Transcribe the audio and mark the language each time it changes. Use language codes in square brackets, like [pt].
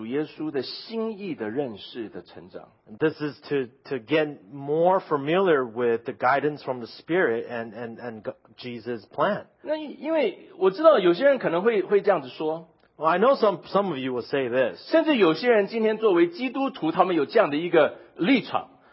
[zh] 这是对于圣灵的引领和主耶稣的心意的认识的成长。 [en] This is to get more familiar with the guidance from the Spirit and Jesus' plan. [zh] 那因为我知道有些人可能会这样子说。 [en] Well, I know some of you will say this. [zh] 甚至有些人今天作为基督徒，他们有这样的一个立场。